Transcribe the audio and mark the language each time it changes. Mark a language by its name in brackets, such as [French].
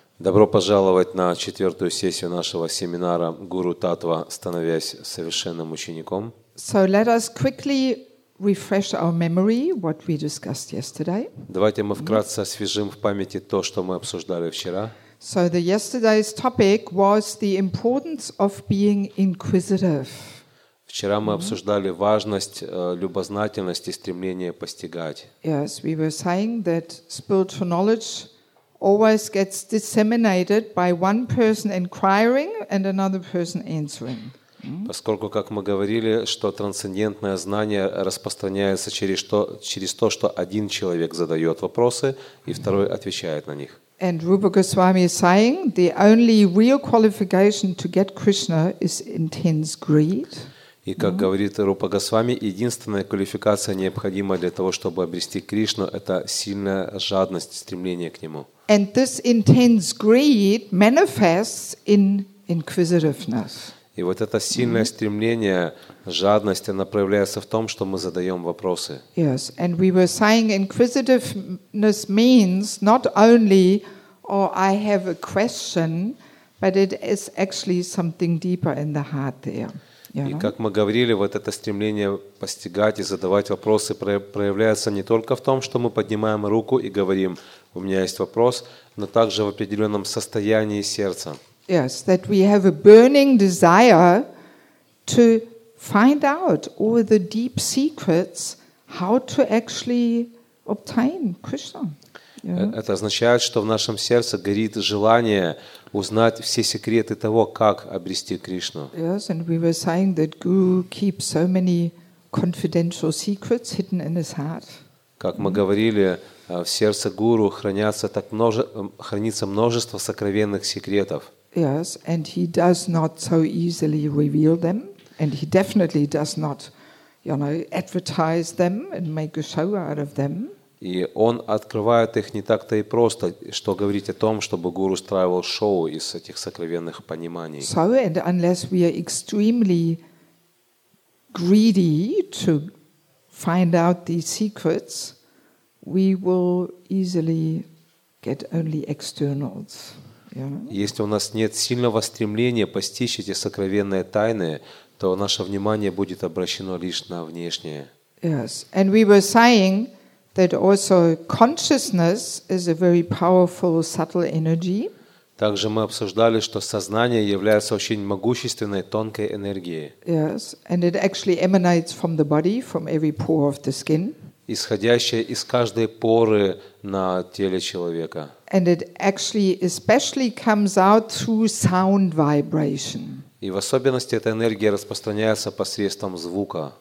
[Russian] Добро пожаловать на четвертую сессию нашего семинара Guru Tattva, Становясь Совершенным Учеником. [English] So let us quickly refresh our memory what we discussed yesterday. [Russian] Давайте мы вкратце освежим в памяти то, что мы обсуждали вчера. [English] So the yesterday's topic was the importance of being inquisitive. [Russian] Вчера мы обсуждали важность любознательности и стремления постигать. [English] Yes, we were saying that spiritual knowledge always gets disseminated by one person inquiring and another person answering. [Russian] Поскольку, как мы говорили, что трансцендентное знание распространяется через то, что один человек задает вопросы, и второй отвечает на них. [English] And Rupa Goswami is saying the only real qualification to get Krishna is intense greed. [Russian] И как говорит Рупа Госвами, единственная квалификация, необходимая для того, чтобы обрести Кришну, это сильная жадность, стремление к Нему. [English] And this intense greed manifests in inquisitiveness. [Russian] И вот это сильное стремление, жадность, она проявляется в том, что мы задаем вопросы. [English] Yes, and we were saying inquisitiveness means not only, oh, I have a question, but it is actually something deeper in the heart there. [Russian] И как мы говорили, вот это стремление постигать и задавать вопросы проявляется не только в том, что мы поднимаем руку и говорим, у меня есть вопрос, но также в определенном состоянии сердца. [English] Yes, that we have a burning desire to find out all the deep secrets how to actually obtain Krishna. [Russian] Это означает, что в нашем сердце горит желание узнать все секреты того, как обрести Кришну. [English] Yes, and we were saying that Guru keeps so many confidential secrets hidden in his heart. [Russian] Как мы говорили, в сердце Гуру хранится множество сокровенных секретов. [English] Yes, and he does not so easily reveal them, and he definitely does not, advertise them and make a show out of them. [Russian] И он открывает их не так-то и просто, что говорить о том, чтобы гуру устраивал шоу из этих сокровенных пониманий. [English] So, and unless we are extremely greedy to find out these secrets, we will easily get only externals. [Russian] Если у нас нет сильного стремления постичь эти сокровенные тайны, то наше внимание будет обращено лишь на внешнее. [English] Yes, and we were saying that also consciousness is a very powerful subtle energy. [Russian] Также мы обсуждали, что сознание является очень могущественной тонкой энергией. [English] Yes, and it actually emanates from the body, from every pore of the skin. [Russian] Исходящее из каждой поры на теле человека. [English] And it actually especially comes out through sound vibration. [Russian] И в особенности эта энергия распространяется посредством звука.